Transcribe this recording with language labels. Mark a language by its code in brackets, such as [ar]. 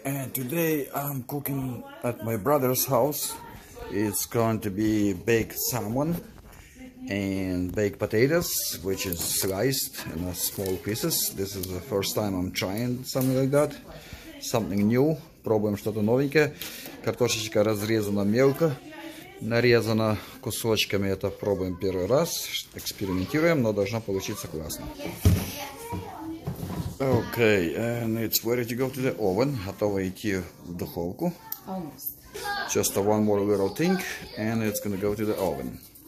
[en] And today I'm cooking at my brother's house. It's going to be baked salmon and baked potatoes, which is sliced in small pieces. This is the first time I'm trying something like that. Something new. [ru] Пробуем что-то новенькое. Картошечка разрезана мелко, нарезана кусочками. Это пробуем первый раз. Экспериментируем, но должно получиться классно. [en] Okay, and it's ready to go to the oven. [ru] Готово идти в духовку. [en] Almost. Just a one more little thing, and it's gonna go to the oven.